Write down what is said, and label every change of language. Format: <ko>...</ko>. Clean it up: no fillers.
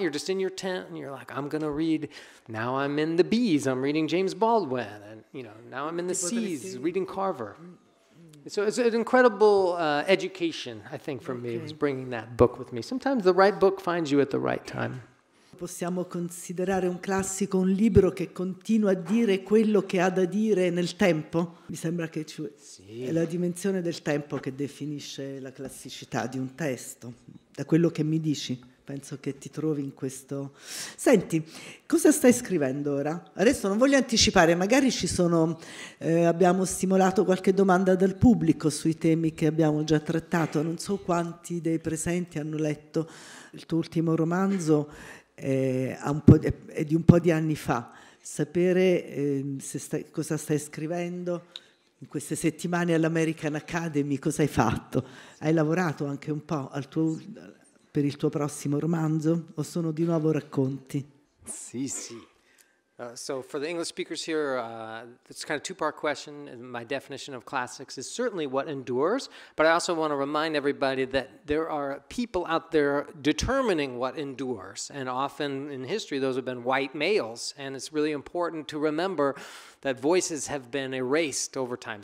<en>You're just in your tent, and you're like, I'm going to read. Now I'm in the B's. I'm reading James Baldwin. And, you know, now I'm in the C's, reading Carver. So it's an incredible education, I think, for me. It was bringing that book with me. Sometimes the right book finds you at the right time.</en> <it>Possiamo considerare un classico un libro che continua a dire quello che ha da dire nel tempo? Mi sembra che ci... sì. È la dimensione del tempo che definisce la classicità di un testo. Da quello che mi dici, penso che ti trovi in questo... Senti, cosa stai scrivendo ora? Adesso non voglio anticipare, magari ci sono... abbiamo stimolato qualche domanda dal pubblico sui temi che abbiamo già trattato. Non so quanti dei presenti hanno letto il tuo ultimo romanzo... è di un po' di anni fa. Sapere cosa stai scrivendo in queste settimane all'American Academy, cosa hai fatto? Hai lavorato anche un po' per il tuo prossimo romanzo o sono di nuovo racconti? Sì, sì.</it> <en>So for the English speakers here, it's kind of a two-part question. My definition of classics is certainly what endures, but I also want to remind everybody that there are people out there determining what endures, and often in history those have been white males, and it's really important to remember that voices have been erased over time.</en>